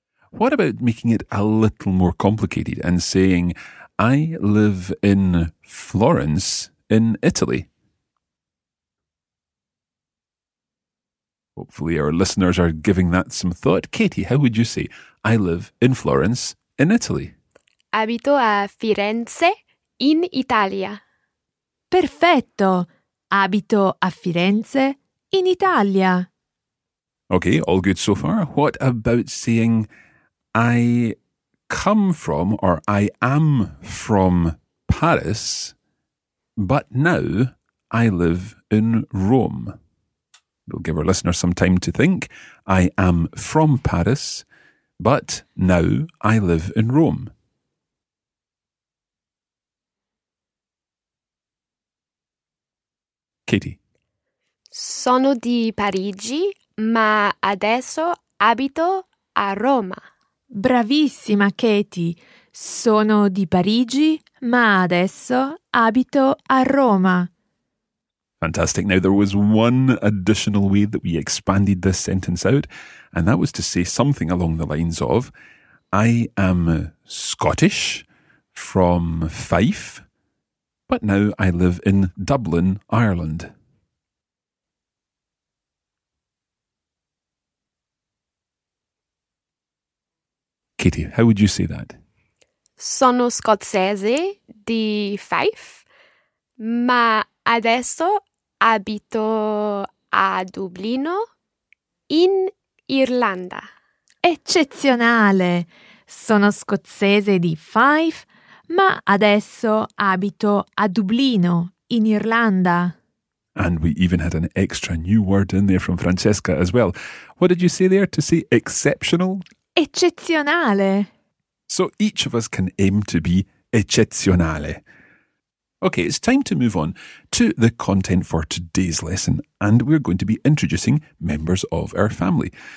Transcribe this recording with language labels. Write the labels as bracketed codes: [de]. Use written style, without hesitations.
[en] What about making it a little more complicated and saying, I live in Florence in Italy? Hopefully our listeners are giving that some thought. Katie, how would you say, I live in Florence in Italy? [it] Abito a Firenze in Italia. Perfetto! Abito a Firenze in Italia. [en] Okay, all good so far. What about saying, I come from or I am from Paris, but now I live in Rome? We'll give our listeners some time to think. I am from Paris, but now I live in Rome. Katie. [it] Sono di Parigi. Ma adesso abito a Roma. Bravissima, Katie. Sono di Parigi, ma adesso abito a Roma. [en] Fantastic. Now, there was one additional way that we expanded this sentence out, and that was to say something along the lines of, I am Scottish from Fife, but now I live in Dublin, Ireland. Katie, how would you say that? [it] Sono scozzese di Fife, ma adesso abito a Dublino in Irlanda. Eccezionale! Sono scozzese di Fife, ma adesso abito a Dublino in Irlanda. [en] And we even had an extra new word in there from Francesca as well. What did you say there to say exceptional? [it] Eccezionale. [en] So each of us can aim to be eccezionale. Okay, it's time to move on to the content for today's lesson, and we're going to be introducing members of our family.